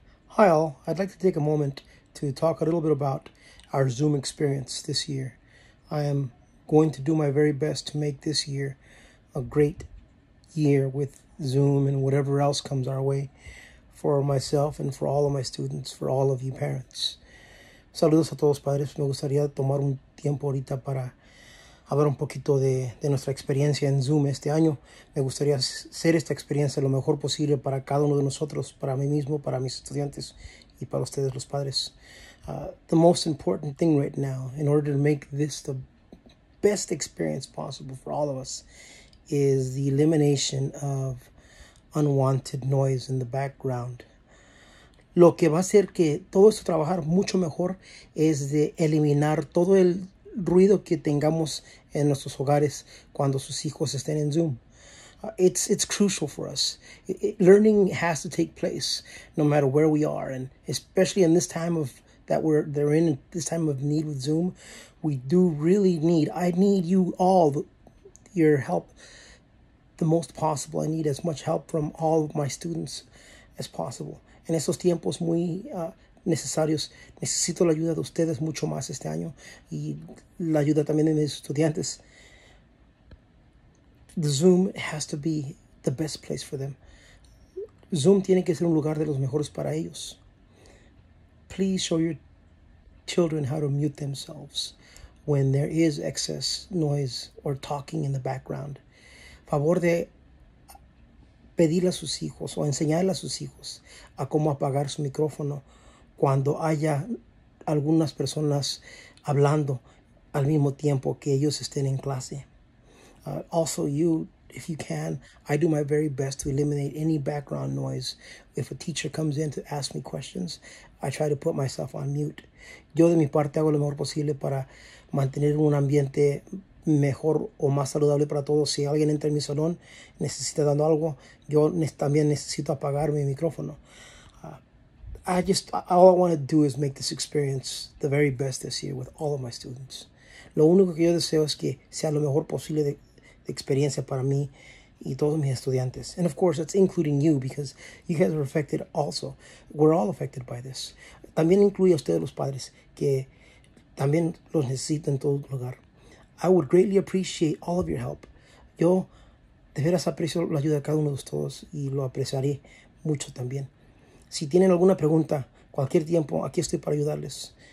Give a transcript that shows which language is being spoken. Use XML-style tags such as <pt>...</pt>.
<en>Hi all, I'd like to take a moment to talk a little bit about our Zoom experience this year. I am going to do my very best to make this year a great year with Zoom and whatever else comes our way for myself and for all of my students, for all of you parents.</en> <es>Saludos a todos padres. Me gustaría tomar un tiempo ahorita para hablar un poquito de nuestra experiencia en Zoom este año. Me gustaría hacer esta experiencia lo mejor posible para cada uno de nosotros, para mí mismo, para mis estudiantes y para ustedes los padres.</es> <en>The most important thing right now, in order to make this the best experience possible for all of us, is the elimination of unwanted noise in the background.</en> <es>Lo que va a hacer que todo esto trabajar mucho mejor es de eliminar todo el ruido que tengamos en nuestros hogares cuando sus hijos estén en Zoom.</es> <en>It's crucial for us. Learning has to take place no matter where we are, and especially in this time of that they're in this time of need with Zoom. We do really need, I need you all, your help the most possible. I need as much help from all of my students as possible.</en> <es>En esos tiempos muy necesarios. Necesito la ayuda de ustedes mucho más este año y la ayuda también de mis estudiantes.</es> <en>The Zoom has to be the best place for them.</en> <es>Zoom tiene que ser un lugar de los mejores para ellos.</es> <en>Please show your children how to mute themselves when there is excess noise or talking in the background.</en> <es>Favor de pedirle a sus hijos o enseñarle a sus hijos a cómo apagar su micrófono cuando haya algunas personas hablando al mismo tiempo que ellos estén en clase.</es> <en>Also, you, if you can, I do my very best to eliminate any background noise. If a teacher comes in to ask me questions, I try to put myself on mute.</en> <es>Yo de mi parte hago lo mejor posible para mantener un ambiente mejor o más saludable para todos. Si alguien entra en mi salón, necesita dando algo, yo también necesito apagar mi micrófono.</es> <en>All I want to do is make this experience the very best this year with all of my students.</en> <es>Lo único que yo deseo es que sea lo mejor posible de experiencia para mí y todos mis estudiantes.</es> <en>And of course, that's including you because you guys are affected also. We're all affected by this.</en> <es>También incluye a ustedes los padres que también los necesitan en todo lugar.</es> <en>I would greatly appreciate all of your help.</en> <es>Yo de veras aprecio la ayuda de cada uno de ustedes y lo apreciaré mucho también. Si tienen alguna pregunta, cualquier tiempo, aquí estoy para ayudarles.</es>